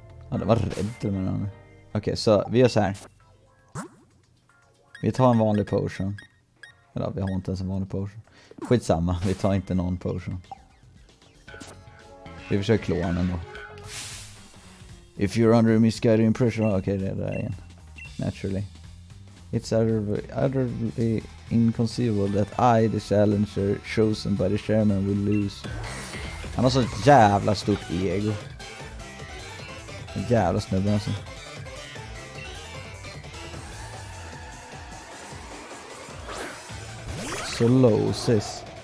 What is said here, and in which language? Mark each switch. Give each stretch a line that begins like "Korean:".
Swedish: Ja, det var rädd med honom. Okej, så vi gör så här. Vi tar en vanlig potion. Eller vi har inte ens en vanlig potion. Skitsamma, vi tar inte någon potion. Vi försöker klå honom då.
English: If you're under a misguided impression.
Swedish: Okej, det är det igen.
English: Naturally. It's utterly inconceivable that I, the challenger, chosen by the chairman, will lose.
Swedish: Han har så ett jävla stort ego. En jävla snubbe alltså. Solosis.